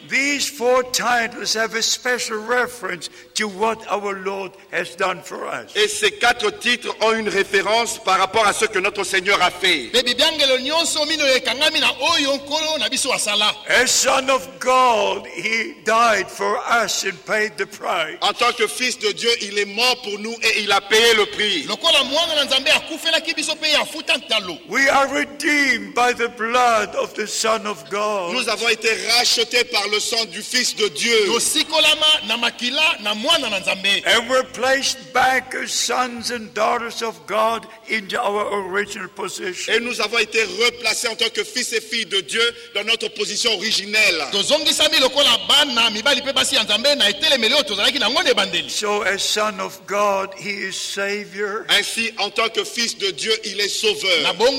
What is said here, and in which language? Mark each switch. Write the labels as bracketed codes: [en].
[en] These four titles have a special reference to what our Lord has done for us. [fr] Et ces quatre titres ont une référence par rapport à ce que notre Seigneur a fait. [en] As son of God, he died for us and paid the price. [fr] En tant que fils de Dieu, il est mort pour nous et il a payé le prix. [en] We are redeemed by the blood of the Son of God. [fr] Nous avons été rachetés par le sang du Fils de Dieu. [en] And we're placed back as sons and daughters of God into our original position. [fr] Et nous avons été replacés en tant que fils et filles de Dieu dans notre position originelle. [en] So as son of God, he is Savior. [fr] Ainsi, en tant que fils de Dieu, il est Sauveur.